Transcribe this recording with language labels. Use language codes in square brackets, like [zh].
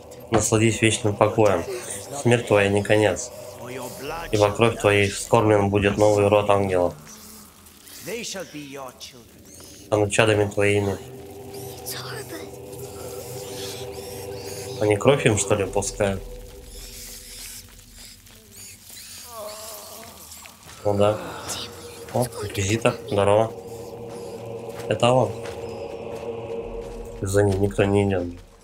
[ru] Насладись вечным покоем. Смерть твоя не конец. Ибо кровь твоей вскормлен будет новый род ангелов. [en] They shall be your children. [ru] Стану чадами твоими. Они кровь им, что ли, пускают? Ну да. О, инквизитор, здорово. Это он. За ним никто не идет.